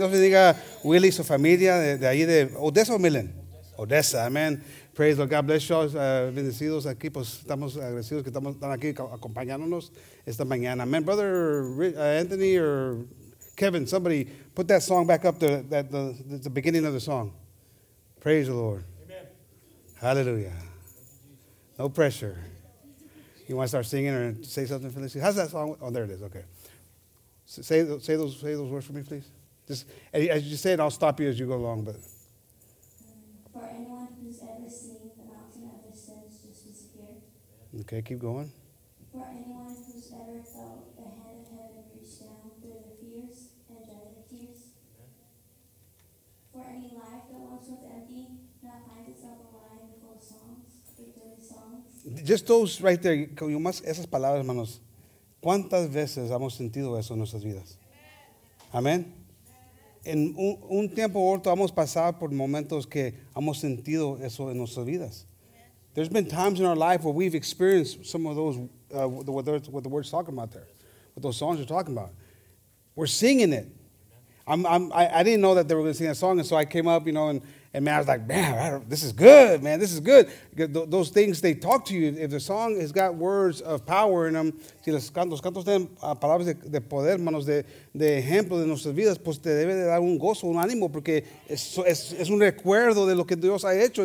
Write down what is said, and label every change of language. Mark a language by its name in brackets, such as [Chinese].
[Spanish] Dios bendiga Willie y su familia de ahí de Odessa o Milen. Odessa, amen. [English] Praise the Lord. God bless you all. [Spanish] Bendecidos aquí, pues estamos agradecidos que están aquí acompañándonos esta mañana. Amen. [English] Brother Anthony or Kevin, somebody put that song back up, the beginning of the song. Praise the Lord. Amen. Hallelujah. No pressure. You want to start singing or say something, Felicity? How's that song? Oh, there it is. Okay. Say those words for me, please. Just as you say it, I'll stop you as you go along. But for anyone who's ever seen the mountain of distance just disappear. Okay, keep going. For anyone who's ever felt the hand of heaven reach down through the fears and dread of tears. For any life that once was empty, that finds itself alive and full of songs. Just those right there, you must, [Spanish] esas palabras, hermanos. ¿Cuántas veces hemos sentido eso en nuestras vidas? Amén. En un tiempo u otro, hemos pasado por momentos que hemos sentido eso en nuestras vidas. Amen. [English] There's been times in our life where we've experienced some of those, what the word's talking about there, what those songs are talking about. We're singing it. I didn't know that they were going to sing that song, and so I came up, you know, and man, I was like, man, this is good. Those things, they talk to you. If the song has got words of power in them, [Spanish] si los cantos tienen palabras de poder, manos de ejemplo de nuestras vidas, pues te debe de dar un gozo, un ánimo, porque es un recuerdo de lo que Dios ha hecho.